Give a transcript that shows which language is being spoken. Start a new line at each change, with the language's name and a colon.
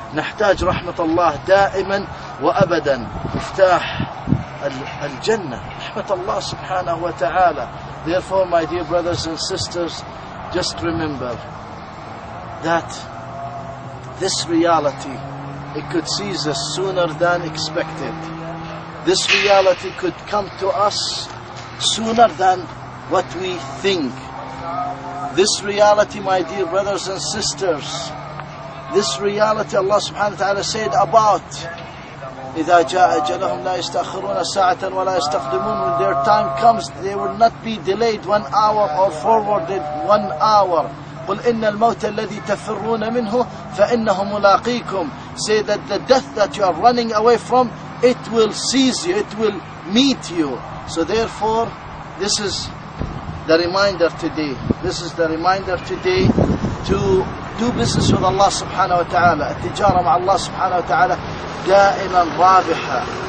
Arabic: نحتاج رحمة الله دائما وأبدا. مفتاح الجنة رحمة الله سبحانه وتعالى.
English: Therefore, my dear brothers and sisters, just remember that this reality, it could seize us sooner than expected. This reality could come to us sooner than what we think. This reality, my dear brothers and sisters, this reality Allah subhanahu wa ta'ala said about
Arabic: إِذَا جَاءَ جَلَهُمْ لَا يَسْتَأْخِرُونَ سَاعَةً وَلَا يَسْتَقْدِمُونَ.
English: When their time comes, they will not be delayed 1 hour or forwarded 1 hour.
Arabic: قُلْ إِنَّ الْمَوْتَ الَّذِي تَفِرُّونَ مِنْهُ فَإِنَّهُ مُلَاقِيكُمْ.
English: Say that the death that you are running away from, it will seize you, it will meet you. So therefore, this is the reminder today. This is the reminder today to do business with Allah subhanahu wa ta'ala.
Arabic: التجارة مع الله سبحانه وتعالى دائما رابحة.